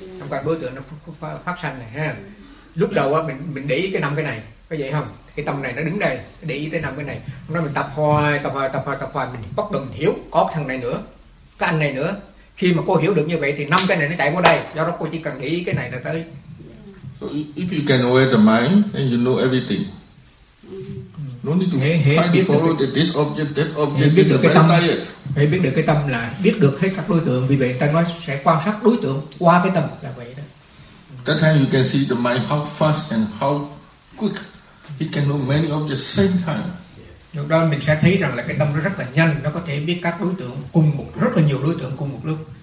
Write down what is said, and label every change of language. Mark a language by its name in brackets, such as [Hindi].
[Vietnamese] Năm căn đối tượng nó phát sanh này. Ha. Lúc đầu mình để ý cái năm cái này, có vậy không? Cái tâm này nó đứng đây, để ý tới năm cái này. Ông nói mình tập hoài, mình bắt đầu mình hiểu. Có thằng này nữa, cái anh này nữa. Khi mà cô hiểu được như vậy thì năm cái này nó chạy qua đây. Do đó cô chỉ cần để ý cái này là tới. [English] So if you can aware the mind, then you know everything. No need to try to follow this object, that object. [Vietnamese] Biết được cái tâm, phải biết được cái tâm là biết được hết các đối tượng. Vì vậy ta nói sẽ quan sát đối tượng qua cái tâm là vậy đó. [English] That time you can see the mind how fast and how quick he can know many objects same time. [Vietnamese] Lúc đó mình sẽ thấy rằng là cái tâm nó rất là nhanh, nó có thể biết các đối tượng cùng một rất là nhiều đối tượng cùng một lúc.